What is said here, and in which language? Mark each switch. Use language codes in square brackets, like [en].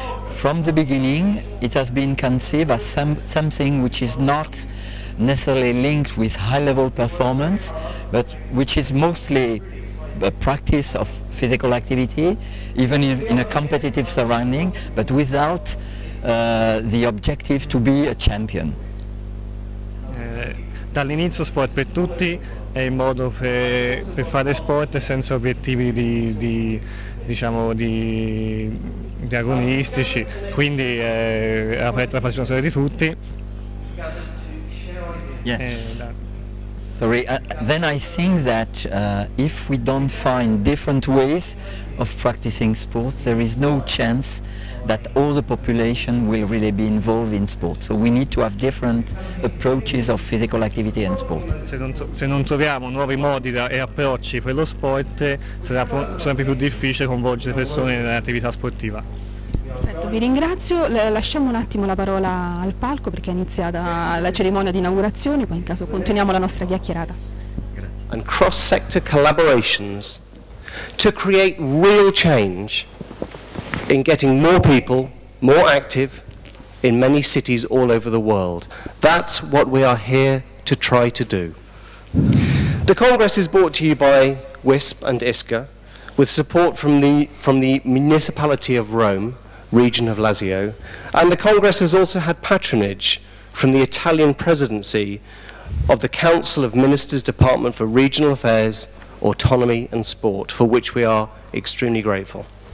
[en] From the beginning it has been conceived as something which is not necessarily linked with high level performance, but which is mostly a practice of physical activity, even in a competitive surrounding, but without the objective to be a champion. [it] Dall'inizio sport per tutti è il modo per fare sport senza obiettivi di agonistici, quindi è aperta la passione di tutti. [en] Yeah. Sorry. Then I think that if we don't find different ways of practicing sports, there is no chance that all the population will really be involved in sport. So we need to have different approaches of physical activity and sport. [it] Se non troviamo nuovi modi e approcci per lo sport, sarà sempre più difficile coinvolgere persone nell'attività sportiva. Perfetto, vi ringrazio, lasciamo un attimo la parola al palco perché è iniziata la cerimonia di inaugurazione, poi in caso continuiamo la nostra chiacchierata. [en] And cross-sector collaborations to create real change in getting more people more active in many cities all over the world. That's what we are here to try to do. The Congress is brought to you by WISP and ISCA with support from the Municipality of Rome, region of Lazio, and the Congress has also had patronage from the Italian Presidency of the Council of Ministers Department for Regional Affairs, Autonomy and Sport, for which we are extremely grateful.